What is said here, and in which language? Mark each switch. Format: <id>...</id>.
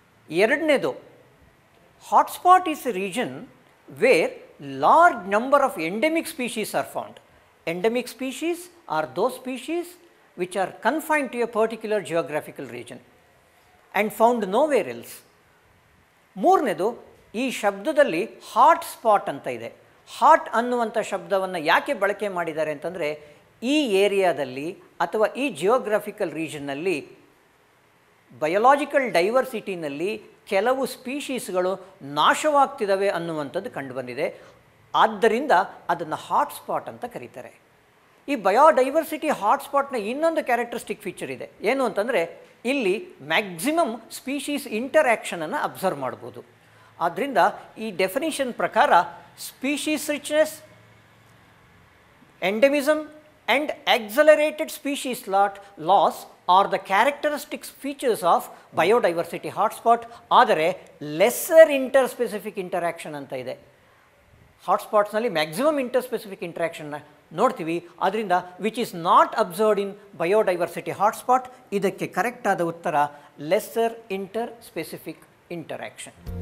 <kn>Eradnedo,</kn> <en>hotspot is a region where large number of endemic species are found. Endemic species are those species which are confined to a particular geographical region and found nowhere else.</en> <kn>Moornedo, ee shabdadalli hotspot anta ide. Hot annuvanta shabdavanna yake balake madidare antandre, ಈ ಏರಿಯಾದಲ್ಲಿ ಅಥವಾ ಈ geographical ರೀಜನ್ನಲ್ಲಿ biological ಡೈವರ್ಸಿಟಿನಲ್ಲಿ ಕೆಲವು ಸ್ಪೀಷೀಸ್ಗಳು ನಾಶವಾಗ್ತಿದ್ದಾವೆ ಅನ್ನುವಂಥದ್ದು ಕಂಡುಬಂದಿದೆ. ಆದ್ದರಿಂದ ಅದನ್ನು hotspot ಅಂತ ಕರೀತಾರೆ. ಈ ಬಯೋಡೈವರ್ಸಿಟಿ ಹಾಟ್ಸ್ಪಾಟ್ನ ಇನ್ನೊಂದು ಕ್ಯಾರೆಕ್ಟರಿಸ್ಟಿಕ್ ಫೀಚರ್ ಇದೆ ಏನು ಅಂತಂದರೆ, ಇಲ್ಲಿ ಮ್ಯಾಕ್ಸಿಮಮ್ ಸ್ಪೀಷೀಸ್ ಇಂಟರ್ಯಾಕ್ಷನನ್ನು ಅಬ್ಸರ್ವ್ ಮಾಡ್ಬೋದು. ಆದ್ದರಿಂದ ಈ ಡೆಫಿನಿಷನ್ ಪ್ರಕಾರ</kn> <en>Species richness, endemism and accelerated species loss are the characteristic features of biodiversity hotspot.</en> <kn>Adare lesser interspecific interaction anta ide, ಹಾಟ್ಸ್ಪಾಟ್ಸ್ನಲ್ಲಿ maximum ಇಂಟರ್ಸ್ಪೆಸಿಫಿಕ್ ಇಂಟ್ರಾಕ್ಷನ್ನ ನೋಡ್ತೀವಿ. ಅದರಿಂದ</kn> <en>Which is not observed in biodiversity hotspot.</en> <kn>ಇದಕ್ಕೆ correct ಆದ ಉತ್ತರ lesser inter specific interaction.</kn>